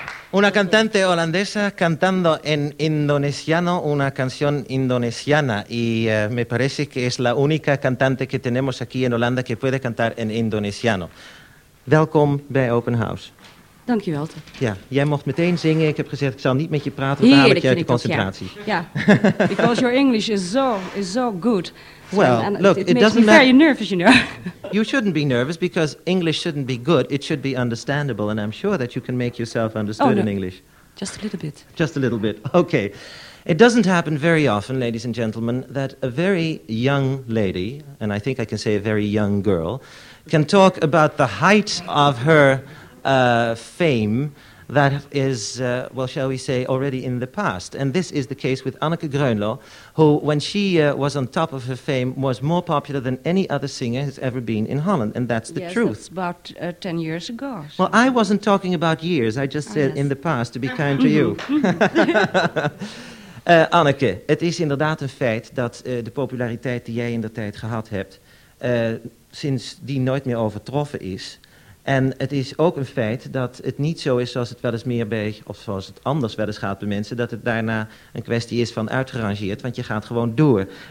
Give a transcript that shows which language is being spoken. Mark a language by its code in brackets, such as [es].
[es] una cantante holandesa cantando en indonesiano una canción indonesiana y me parece que es la única cantante que tenemos aquí en Holanda que puede cantar en indonesiano. [nl] Welkom bij Open House. Dankjewel. Ja, jij mocht meteen zingen. Ik heb gezegd, ik zal niet met je praten, want daar heb je uit de concentratie. [en] Ja, because your English is so good. Well, look, it doesn't matter. It makes me very nervous, you know. You shouldn't be nervous because English shouldn't be good. It should be understandable, and I'm sure that you can make yourself understood in English. Just a little bit. Just a little bit. Okay. It doesn't happen very often, ladies and gentlemen, that a very young lady, and I think I can say a very young girl, can talk about the height of her fame that is, shall we say, already in the past. And this is the case with Anneke Greunlo, who, when she was on top of her fame, was more popular than any other singer has ever been in Holland. And that's the truth. Yes, that's about 10 years ago. So. Well, I wasn't talking about years. I just said in the past, to be kind to you. [nl] Anneke, het is inderdaad een feit dat de populariteit die jij in de tijd gehad hebt, sinds die nooit meer overtroffen is. En het is ook een feit dat het niet zo is zoals het wel eens meer bij, of zoals het anders wel eens gaat bij mensen, dat het daarna een kwestie is van uitgerangeerd, want je gaat gewoon door.